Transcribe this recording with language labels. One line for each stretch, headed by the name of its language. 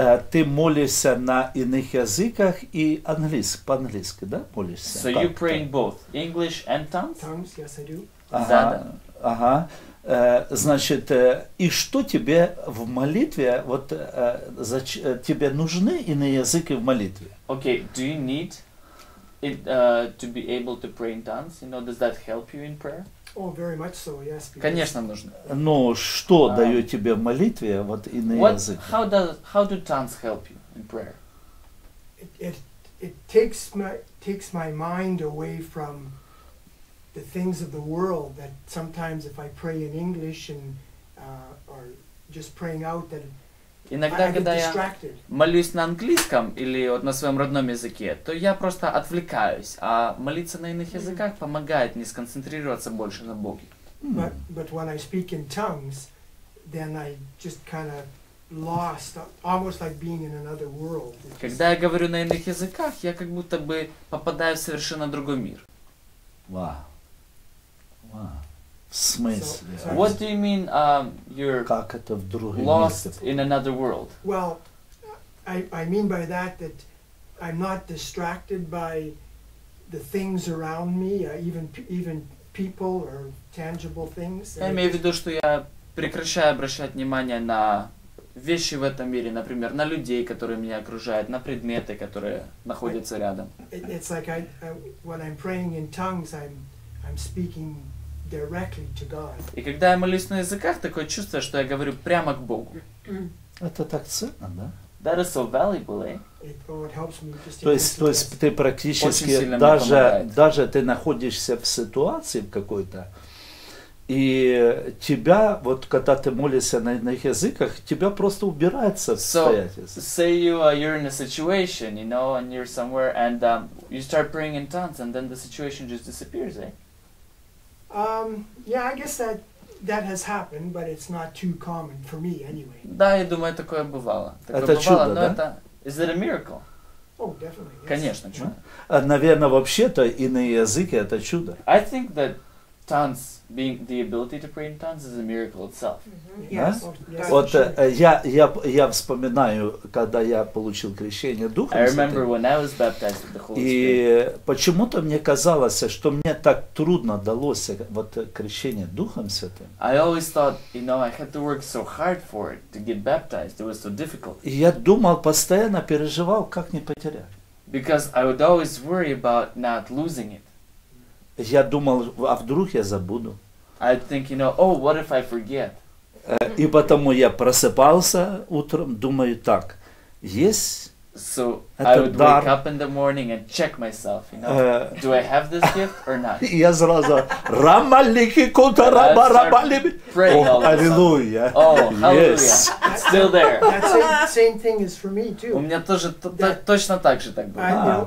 Russian: Ты молишься на иных языках и по-английски, да, молишься?
English: So you pray in both English and tongues? Tongues, yes, I do.
Russian: Ага. Значит, и что тебе в молитве, вот тебе нужны иные языки в молитве?
English: Okay, do you need it, to be able to pray in tongues? You know, does that help you in prayer? Oh, very much so, yes, because...
Russian: Конечно, нужно. Но что дает тебе в молитве, вот иные языки?
English: How do tongues help you in prayer? It takes my mind away from the things of the world that sometimes if I pray in English and or just praying out that
Russian: иногда,
English: I get distracted.
Russian: Когда я молюсь на английском или вот на своем родном языке, то я просто отвлекаюсь, а молиться на иных языках помогает мне сконцентрироваться больше на Боге.
English: But when I speak in tongues, then I just kind of lost, almost like being in another world.
Russian: Когда я говорю на иных языках, я как будто бы попадаю в совершенно другой мир.
English: Wow.
Russian: В смысле?
English: So, what do you mean, you're lost in another world? Well, I mean by that I'm not distracted by the things around me, even people or tangible things.
Russian: Я имею в виду, что я прекращаю обращать внимание на вещи в этом мире, например, на людей, которые меня окружают, на предметы, которые находятся рядом.
English: It's like when I'm praying in tongues, I'm speaking directly to God.
Russian: И когда я молюсь на языках, такое чувство, что я говорю прямо к Богу. Это так ценно, да?
English: That is so valuable, eh? It helps me just
Russian: то есть ты практически даже ты находишься в ситуации какой-то, и тебя, вот когда ты молишься на иных языках, тебя просто убирается в состоянии.
English: So, say you're in a situation, you know, and you're somewhere, and you start praying in tongues, and then the situation just disappears, eh? Yeah, I guess that has happened, but it's not too common for me anyway.
Russian: Да, я думаю, такое бывало. Это чудо, да?
English: Is it a miracle? Oh, definitely. Yes.
Russian: Конечно, чудо. Наверное, вообще-то иные языки это чудо.
English: I think that tongues, being the ability to pray in tongues, is a miracle itself. Mm-hmm. Yes.
Russian: Вот я вспоминаю, когда я получил крещение Духом Святым.
English: I remember when I was baptized with the Holy Spirit.
Russian: И почему-то мне казалось, что мне так трудно далось вот крещение Духом Святым.
English: I always thought, you know, I had to work so hard for it to get baptized. It was so difficult.
Russian: И я думал, постоянно переживал, как не потерять.
English: Because I would always worry about not losing it.
Russian: Я думал, а вдруг я забуду.
English: I think, you know, oh, what if I forget?
Russian: И потому я просыпался утром, думаю, так, есть
English: So I would wake up in the morning and check myself, you know, do I have this gift or not? Я зразу рамаліки кута рабарабалі.
Russian: Аллилуйя.
English: О, аллилуйя. Still there. Same thing is for me too.
Ukrainian: У мене теж точно так же так було.